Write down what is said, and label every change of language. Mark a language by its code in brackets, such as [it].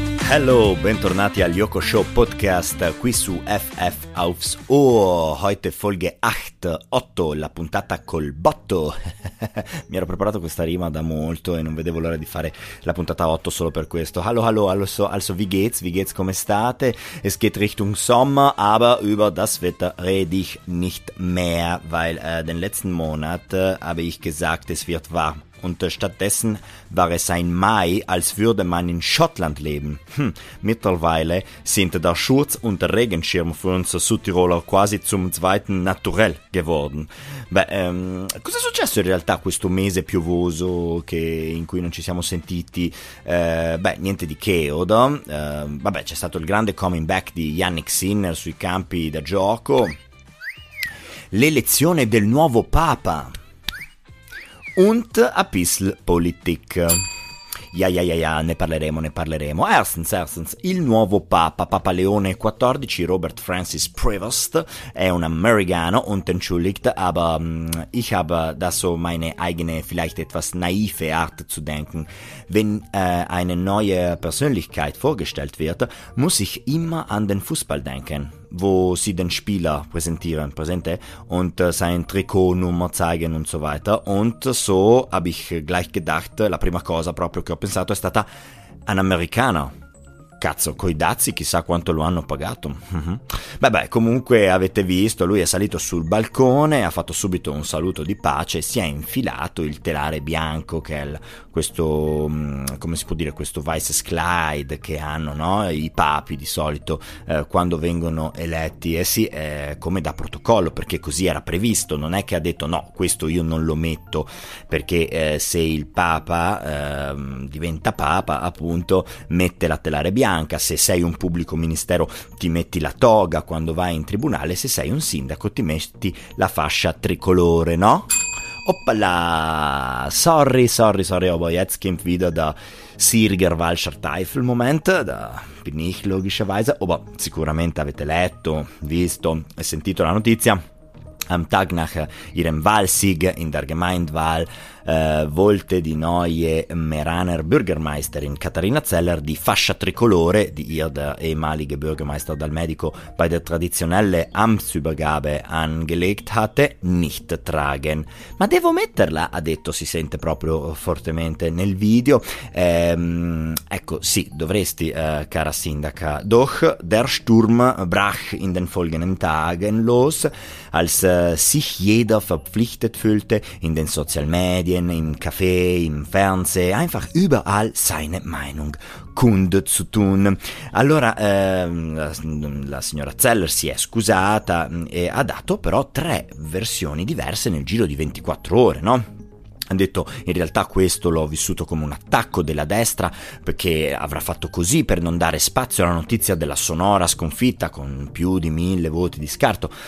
[it] Hello, bentornati al Yoko Show Podcast qui su FF Aufs Ohr. [de] Heute Folge [it] 8, 8, la puntata col botto. Mi ero preparato questa rima da molto e non vedevo l'ora di fare la puntata 8 solo per questo. [de] Hallo, hallo, also wie geht's, [it] come state? [de] Es geht Richtung Sommer, aber über das Wetter rede ich nicht mehr, weil den letzten Monat habe ich gesagt, es wird warm. Und stattdessen war es ein Mai, als würde man in Schottland leben. Mittlerweile sind der Schurz und der Regenschirm für uns Südtiroler quasi zum zweiten Naturell geworden. [it] Beh, cosa è successo in realtà questo mese piovoso che, in cui non ci siamo sentiti? Niente di che, Odo. C'è stato il grande coming back di Jannik Sinner sui campi da gioco. L'elezione del nuovo Papa. [de] Und a bissl Politik. Ja, [it] ne parleremo. [de] Erstens, [it] il nuovo Papa, Papa Leone XIV, Robert Francis Prevost, è un Americano, [de] und entschuldigt, aber ich habe da so meine eigene, vielleicht etwas naive Art zu denken. Wenn eine neue Persönlichkeit vorgestellt wird, muss ich immer an den Fußball denken, wo sie den Spieler präsentieren, präsente, und sein Trikotnummer zeigen und so weiter. Und so habe ich gleich gedacht, [it] la prima cosa proprio che ho pensato è stata an Americano. Cazzo, coi dazi chissà quanto lo hanno pagato. Beh, comunque avete visto, lui è salito sul balcone, ha fatto subito un saluto di pace, si è infilato il telare bianco che è questo, come si può dire, questo Weißkleid che hanno, no, i papi di solito quando vengono eletti, e sì, come da protocollo, perché così era previsto, non è che ha detto no, questo io non lo metto, perché se il papa diventa papa, appunto, mette la telare bianca. Se sei un pubblico ministero ti metti la toga quando vai in tribunale, se sei un sindaco ti metti la fascia tricolore, no? Oppala! [de] Sorry, aber jetzt kommt wieder der Sieger Walscher Teufel Moment, da bin ich logischerweise, aber [it] sicuramente avete letto, visto e sentito la notizia. [de] Am Tag nach ihrem Wahlsieg in der Gemeindewahl wollte die neue Meraner Bürgermeisterin Katharina Zeller die Fascia Tricolore, die ihr der ehemalige Bürgermeister Dalmedico bei der traditionellen Amtsübergabe angelegt hatte, nicht tragen. [it] Ma devo metterla, ha detto, si sente proprio fortemente nel video. Ecco, sì, dovresti, cara sindaca. [de] Doch der Sturm brach in den folgenden Tagen los, als sich jeder verpflichtet fühlte, in den Social Media, im Café, im Fernsehen, einfach überall seine Meinung kunde zu tun. [it] Allora, la signora Zeller si è scusata e ha dato però tre versioni diverse nel giro di 24 ore, no? Ha detto, in realtà questo l'ho vissuto come un attacco della destra, perché avrà fatto così per non dare spazio alla notizia della sonora sconfitta con più di 1000 voti di scarto.